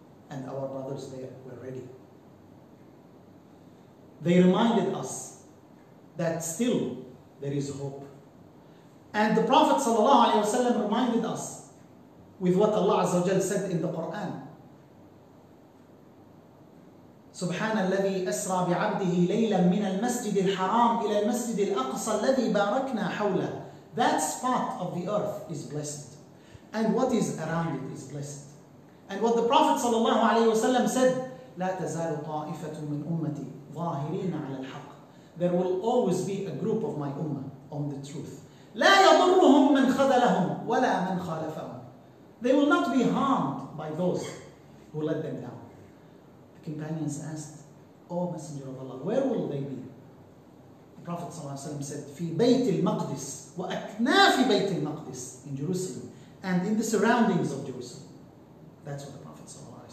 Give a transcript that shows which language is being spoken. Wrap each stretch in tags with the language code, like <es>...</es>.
<en>And our brothers there were ready. They reminded us that still there is hope. And the Prophet ﷺ reminded us with what Allah Azza wa Jal said in the Quran.</en> <ar>سبحان الذي أسرى بعبده ليلا من المسجد الحرام إلى المسجد الأقصى الذي باركنا حوله.</ar> <en>That spot of the earth is blessed. And what is around it is blessed. And what the Prophet صلى الله عليه وسلم said,</en> <ar>لا تزال طائفة من أمتي ظاهرين على الحق.</ar> <en>There will always be a group of my ummah on the truth.</en> <ar>لا يضرهم من خذلهم ولا من خالفهم.</ar> <en>They will not be harmed by those who let them down. Companions asked, O Messenger of Allah, where will they be? The Prophet ﷺ said,</en> <ar>في بيت المقدس وأكناف بيت المقدس,</ar> <en>in Jerusalem and in the surroundings of Jerusalem. That's what the Prophet said.</en>